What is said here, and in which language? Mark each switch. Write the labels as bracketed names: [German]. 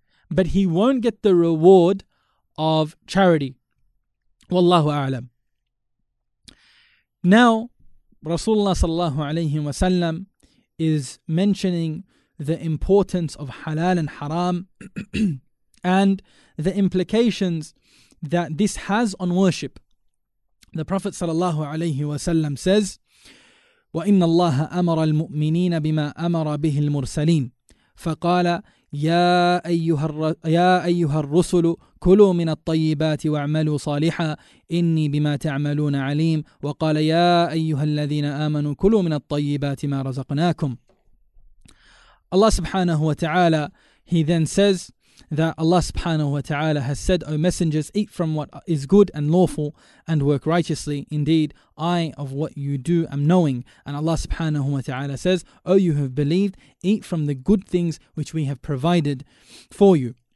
[English] But he won't get the reward of charity. Wallahu a'lam. Now, Rasulullah sallallahu alayhi wa sallam is mentioning the importance of halal and haram and the implications that this has on worship. The Prophet sallallahu alayhi wa sallam says, [Arabic] وَإِنَّ اللَّهَ أَمَرَ الْمُؤْمِنِينَ بِمَا أَمَرَ بِهِ الْمُرْسَلِينَ فَقَالَ يَا أَيُّهَا الرُّسُلُ كُلُوا مِنَ الطَّيِّبَاتِ وَاعْمَلُوا صَالِحًا إِنِّي بِمَا تَعْمَلُونَ عَلِيمٌ وَقَالَ يَا أَيُّهَا الَّذِينَ آمَنُوا كُلُوا مِنَ الطَّيِّبَاتِ مَا رَزَقْنَاكُمْ. [English] Allah subhanahu wa ta'ala, he then says that Allah subhanahu wa ta'ala has said, O messengers, eat from what is good and lawful and work righteously. Indeed, I of what you do am knowing. And Allah subhanahu wa ta'ala says, O you who have believed, eat from the good things which we have provided for you.